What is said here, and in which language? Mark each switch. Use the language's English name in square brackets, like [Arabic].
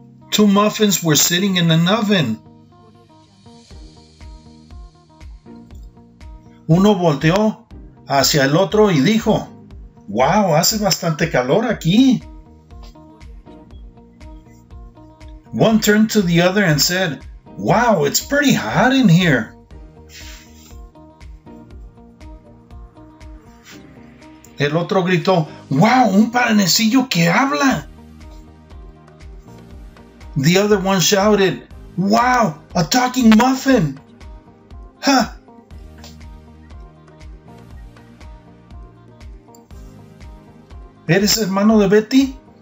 [English] Two muffins were sitting in an oven. [Spanish] Uno volteó hacia el otro y dijo, wow, hace bastante calor aquí. [English] One turned to the other and said, wow, it's pretty hot in here. [Spanish] El otro gritó, wow, un panecillo que habla. [English] The other one shouted, wow, a talking muffin. Ha! [Spanish] ¿Eres hermano de Betty?